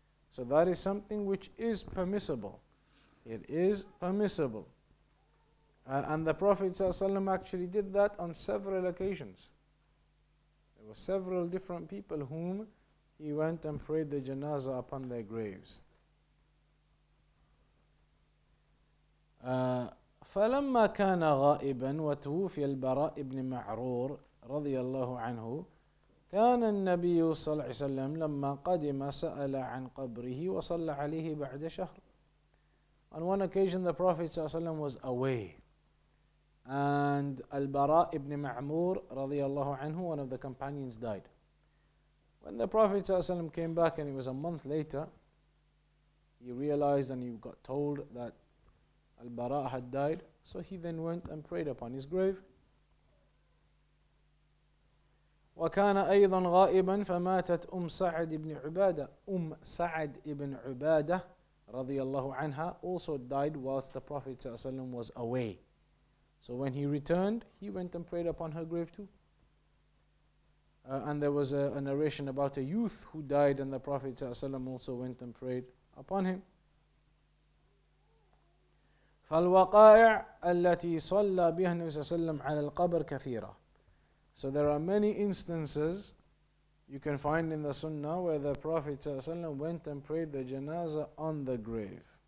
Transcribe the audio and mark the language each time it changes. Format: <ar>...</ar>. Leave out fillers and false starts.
<en>So that is something which is permissible. It is permissible. And the Prophet ﷺ actually did that on several occasions. There were several different people whom he went and prayed the janazah upon their graves.</en> <ar>فَلَمَّا كَانَ غَائِبًا وَتُوُفِيَ الْبَرَاءِ بْنِ مَعْرُورِ رضي الله عنه كان النبي صلى الله عليه وسلم لما قدم سأل عن قبره وصلى عليه بعد شهر.</ar> <en>On one occasion the Prophet ﷺ was away, and Al-Bara ibn Ma'mur radiyallahu anhu, one of the companions, died. When the Prophet ﷺ came back, and it was a month later, he realized and he got told that Al-Bara had died. So he then went and prayed upon his grave.</en> <ar>وكان أيضا غائبا فماتت أم سعد بن عبادة.</ar> <en>أم سعد بن عبادة رضي الله عنها also died whilst the Prophet صلى الله عليه وسلم was away. So when he returned, he went and prayed upon her grave too. And there was a narration about a youth who died, and the Prophet صلى الله عليه وسلم also went and prayed upon him.</en> <ar>فالوقائع التي صلى بها النبي صلى الله عليه وسلم على القبر كثيرة.</ar> <en>So there are many instances you can find in the Sunnah where the Prophet صلى الله عليه وسلم went and prayed the janazah on the grave.</en>